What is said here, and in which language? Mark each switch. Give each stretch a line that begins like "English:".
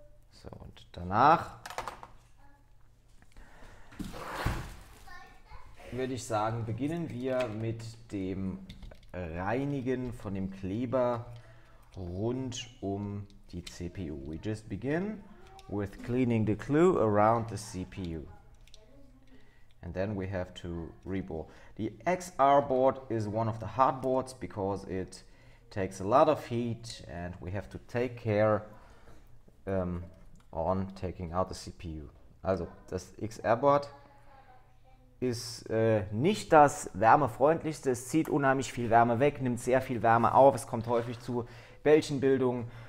German: So, und danach würde ich sagen, beginnen wir mit dem Reinigen von dem Kleber rund um die CPU.
English: We just begin with cleaning the glue around the CPU. And then we have to reball. The XR board is one of the hard boards because it takes a lot of heat, and we have to take care on taking out the CPU.
German: Also, das XR board ist nicht das wärmefreundlichste. Es zieht unheimlich viel Wärme weg, nimmt sehr viel Wärme auf. Es kommt häufig zu Bällchenbildung.